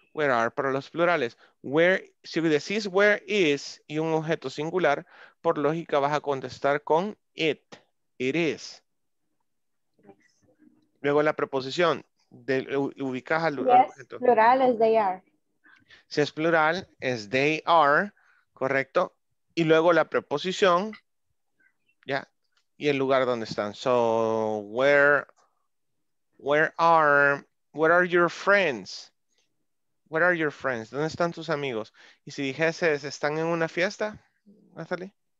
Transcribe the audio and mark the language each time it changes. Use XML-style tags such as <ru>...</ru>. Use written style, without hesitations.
<en>Where are</en> <es>para los plurales. Where, si decís</es> <en>where is</en> <es>y un objeto singular, por lógica vas a contestar con it.</es> <en>It is.</en> <es>Luego la preposición, ubicas al objeto. Si es plural, es</es> <en>they are.</en> <es>Si es plural, es</es> <en>they are,</en> <es>correcto. Y luego la preposición, ya, yeah, y el lugar donde están.</es> <en>So, where are your friends? Where are your friends?</en> <es>¿Dónde están tus amigos? Y si dijeses, ¿están en una fiesta, Natalie?</es>